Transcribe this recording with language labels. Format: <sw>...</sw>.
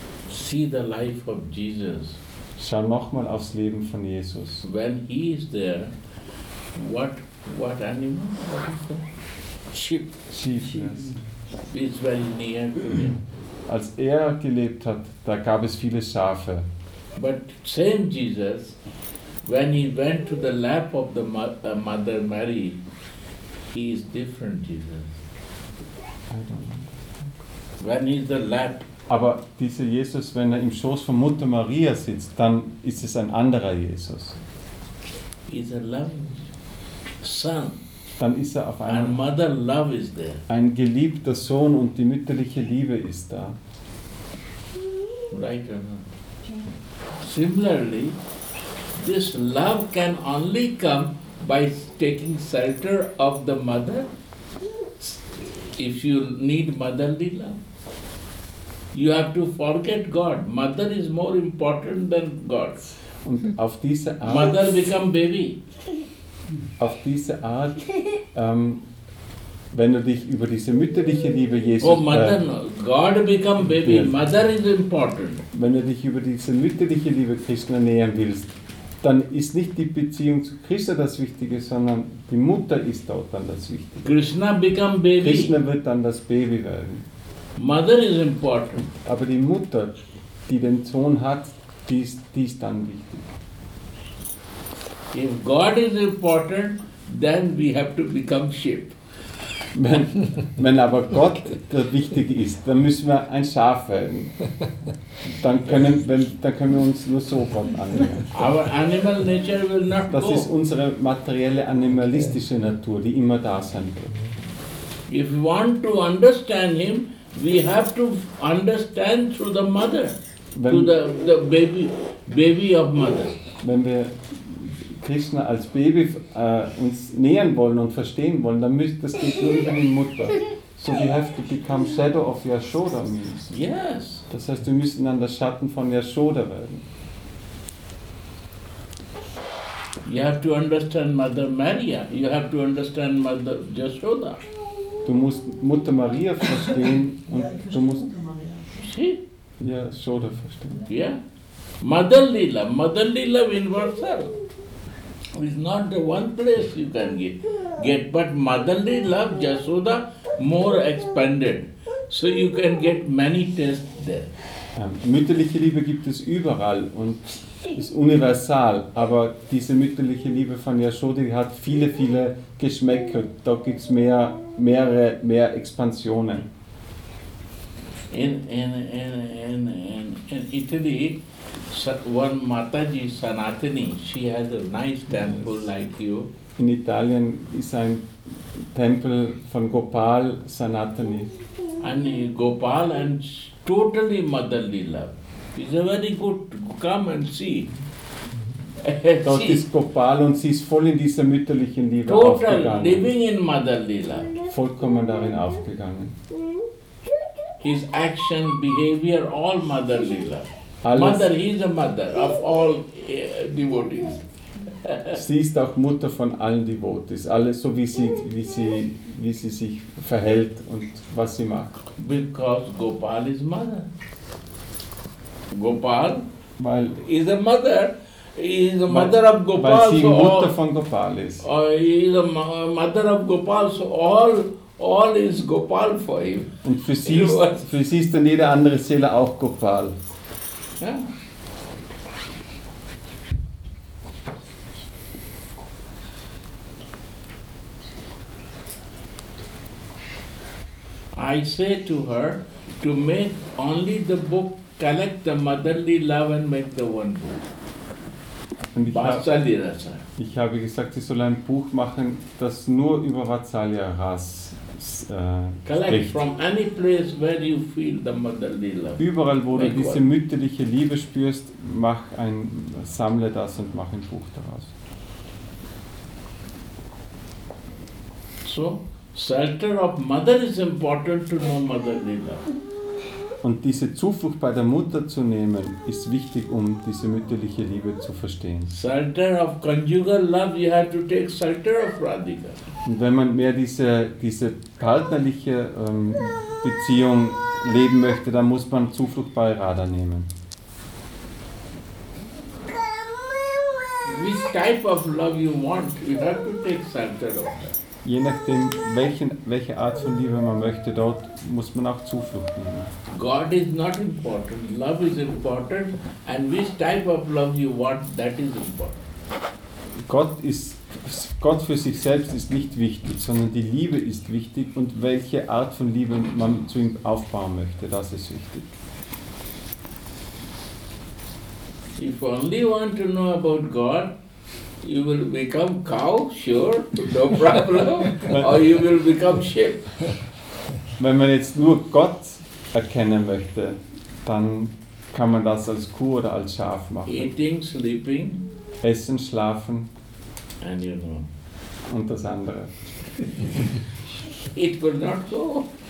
<en>See the life of Jesus.</en> <de>Schau nochmal aufs Leben von Jesus.</de> <en>When he is there, what animal? What is that? Sheep. Is very near to him.</en> <de>Als er gelebt hat, da gab es viele Schafe.</de> <en>But same Jesus, when he went to the lap of the Mother Mary, he is different Jesus. I don't know. When he is the lap.</en> <de>Aber dieser Jesus, wenn er im Schoß von Mutter Maria sitzt, dann ist es ein anderer Jesus.</de> <en>He is a loving son.</en> <de>Dann ist er auf einmal</de> <en>Mother love is there.</en> <de>Ein geliebter Sohn und die mütterliche Liebe ist da.</de> <en>Right or not? Similarly, this love can only come by taking shelter of the mother. If you need motherly love, you have to forget God. Mother is more important than God.</en> <de>Und auf diese Art.</de> <en>Mother become baby.</en> <de>Auf diese Art, wenn du dich über diese mütterliche Liebe Jesu</de> <en>God become baby. Mother is important.</en> <de>Wenn du dich über diese mütterliche Liebe Krishna nähern willst, dann ist nicht die Beziehung zu Krishna das Wichtige, sondern die Mutter ist dort dann das Wichtige.</de> <en>Krishna become baby.</en> <de>Krishna wird dann das Baby werden.</de> <en>Mother is important.</en> <de>Aber die Mutter, die den Sohn hat, die ist dann wichtig.</de> <en>If God is important, then we have to become sheep.</en> <de>Wenn aber Gott der Wichtige ist, dann müssen wir ein Schaf werden. Dann können wir uns nur so Gott annehmen.</de> <en>Our animal nature will not go.</en> <de>Das ist unsere materielle animalistische Natur, die immer da sein wird.</de> <en>If we want to understand him, we have to understand through the mother, through the baby of mother.</en> <de>Wenn wir Krishna als Baby uns nähern wollen und verstehen wollen, dann müsste das geht nur über die Mutter.</de> <en>So we have to become shadow of Yashoda means. Yes.</en> <de>Das heißt, wir müssen dann das Schatten von Yashoda werden.</de> <en>You have to understand Mother Maria. You have to understand Mother Yashoda.</en> <de>Du musst Mutter Maria verstehen und du musst Mutter Maria. Ja, Yashoda verstehen.</de> <en>Yeah. Mother Lila involves her. Is not the one place you can get, but motherly love, Yashoda, more expanded. So you can get many tests there.</en> <de>Mütterliche Liebe gibt es überall und ist universal, aber diese mütterliche Liebe von Yashoda hat viele, viele Geschmäcker. Da gibt es mehr Expansionen.</de> <en>In Italy, one Mataji Sanatani, she has a nice temple like you.</en> <de>In Italien ist ein Tempel von Gopal Sanatani.</de> <en>And Gopal and totally motherly love. It's a very good, come and see.</en> <de>Dort ist Gopal und sie ist voll in dieser mütterlichen Liebe total aufgegangen.</de> <en>Total living in motherly love.</en> <de>Vollkommen darin aufgegangen.</de> <en>His action, behavior, all motherly love.</en> <de>Alles.</de> <en>Mother, he is the mother of all devotees.</en> <de>Sie ist auch Mutter von allen Devotees, alles so wie sie sich verhält und was sie macht.</de> <en>Because Gopal is mother. Gopal is a mother. He is a mother of Gopal.</en> <de>Weil sie Mutter von Gopal ist.</de> <en>He is a mother of Gopal, so all is Gopal for him.</en> <de>Und für sie ist dann jede andere Seele auch Gopal. Ja.</de> <en>I say to her to make only the book, collect the motherly love and make the one book.</en> <de>Ich habe gesagt, sie soll ein Buch machen, das nur über Vatsalya Ras spricht.</de> <en>From any place where you feel the motherly love.</en> <de>Überall, wo du diese mütterliche Liebe spürst, sammle das und mach ein Buch daraus.</de> <en>So, shelter of mother is important to know motherly love.</en> <de>Und diese Zuflucht bei der Mutter zu nehmen, ist wichtig, um diese mütterliche Liebe zu verstehen.</de> <en>Shelter of conjugal love, you have to take shelter of Radhika.</en> <de>Und wenn man mehr diese partnerliche Beziehung leben möchte, dann muss man Zuflucht bei Radha nehmen.</de> <en>Which type of love you want, you have to take shelter of that.</en> <de>Je nachdem, welche Art von Liebe man möchte, dort muss man auch Zuflucht nehmen.</de> <en>God is not important, love is important, and which type of love you want, that is important.</en> <de>Gott für sich selbst ist nicht wichtig, sondern die Liebe ist wichtig und welche Art von Liebe man zu ihm aufbauen möchte, das ist wichtig.</de> <en>If you only want to know about God, you will become cow, sure, no problem, or you will become sheep.</en> <de>Wenn man jetzt nur Gott erkennen möchte, dann kann man das als Kuh oder als Schaf machen.</de> <en>Eating, sleeping,</en> <de>Essen, Schlafen.</de> <en>And you know.</en> <de>Und das andere.</de> <en>It will not go.</en>